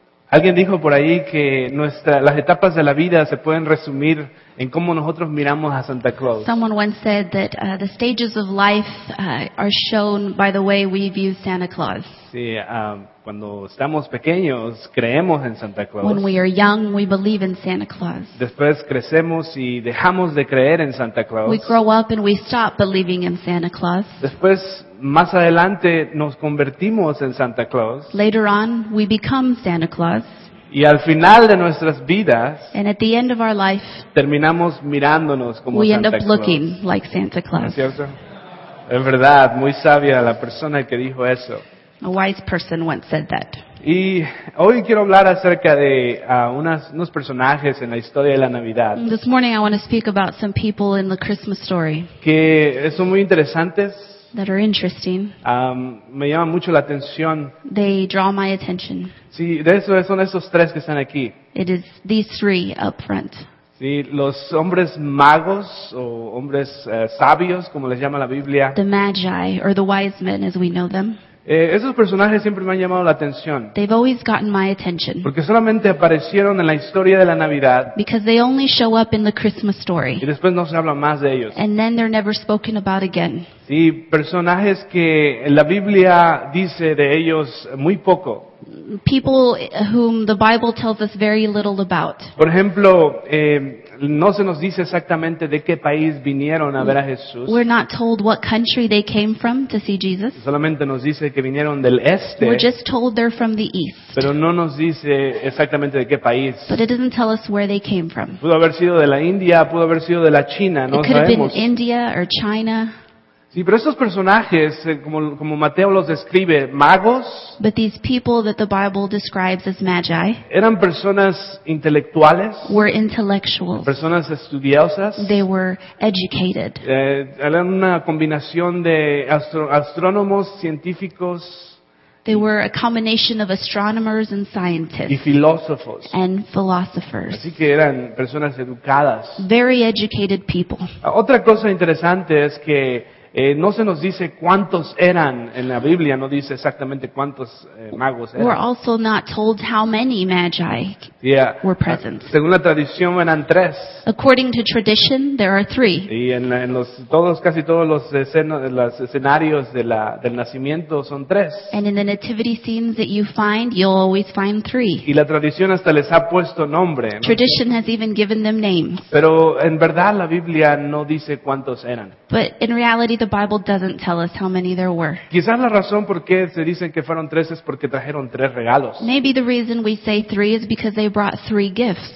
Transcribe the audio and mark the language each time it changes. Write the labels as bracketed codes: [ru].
[es] Alguien dijo por ahí que las etapas de la vida se pueden resumir en cómo nosotros miramos a Santa Claus. [en] Someone once said that the stages of life are shown by the way we view Santa Claus. [es] Sí, cuando estamos pequeños creemos en Santa Claus. [en] When we are young, we believe in Santa Claus. [es] Después crecemos y dejamos de creer en Santa Claus. [en] We grow up and we stop believing in Santa Claus. [es] Después, más adelante, nos convertimos en Santa Claus. [en] Later on, we become Santa Claus. [es] Y al final de nuestras vidas, [en] and at the end of our life, [es] terminamos mirándonos como [en] we [es] Santa [en] end up [es] Claus. [en] Looking like Santa Claus. [es] ¿No es cierto? Es verdad, muy sabia la persona que dijo eso. [en] A wise person once said that. [es] Y hoy quiero hablar acerca de unos personajes en la historia de la Navidad. [en] This morning I want to speak about some people in the Christmas story. [es] Que son muy interesantes. [en] That are interesting. [es] Me llama mucho la atención. [en] They draw my attention. [es] Sí, de eso son esos tres que están aquí. [en] It is these three up front. [es] Sí, los hombres magos o hombres sabios, como les llama la Biblia. [en] The magi or the wise men, as we know them. [es] Esos personajes siempre me han llamado la atención. [en] They've always gotten my attention. [es] Porque solamente aparecieron en la historia de la Navidad. [en] Because they only show up in the Christmas story. [es] Y después no se habla más de ellos. [en] And then they're never spoken about again. [es] Sí, personajes que la Biblia dice de ellos muy poco. [en] People whom the Bible tells us very little about. [es] Por ejemplo, no se nos dice exactamente de qué país vinieron a ver a Jesús. [en] We're not told what country they came from to see Jesus. [es] Solamente nos dice que vinieron del este. [en] We're just told they're from the east. [es] Pero no nos dice exactamente de qué país. [en] But it doesn't tell us where they came from. [es] Pudo haber sido de la India, pudo haber sido de la China, no sabemos. [en] It could have been India or China. [es] Sí, pero estos personajes, como Mateo los describe, magos. [en] But these people that the Bible describes as magi. [es] Eran personas intelectuales. [en] Were intellectuals. [es] Personas estudiosas. [en] They were educated. [es] Eran una combinación de astrónomos, científicos. [en] They were a combination of astronomers and scientists. [es] Y filósofos. [en] And philosophers. [es] Así que eran personas educadas. [en] Very educated people. [es] Otra cosa interesante es que no se nos dice cuántos eran en la Biblia, no dice exactamente cuántos magos eran. [en] We're also not told how many magi were present. [es] Según la tradición eran tres. [en] According to tradition, there are three. [es] Y en los escenarios del nacimiento son tres. [en] And in the nativity scenes that you find, you'll always find three. [es] Y la tradición hasta les ha puesto nombre. ¿No? [en] Tradition has even given them names. [es] Pero en verdad la Biblia no dice cuántos eran. [en] But in reality, the Bible doesn't tell us how many there were. [es] Quizás la razón por qué se dicen que fueron tres es porque trajeron tres regalos. [en] Maybe the reason we say three is because they brought three gifts.